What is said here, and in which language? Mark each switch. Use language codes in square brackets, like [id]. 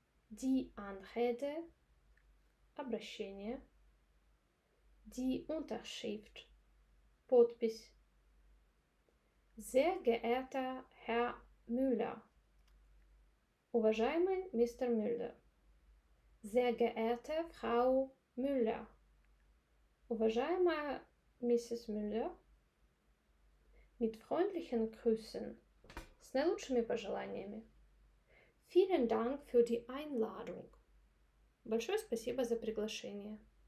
[de] Die Anrede. Обращение. Die Unterschrift. Подпись. Sehr geehrter Herr Müller. [ru] Уважаемый мистер Мюллер. [de] Sehr geehrte Frau Müller. [ru] Уважаемая миссис Мюллер. [de] Mit freundlichen Grüßen. [ru] С наилучшими пожеланиями. [de] Vielen Dank für die Einladung. [ru] Большое спасибо за приглашение.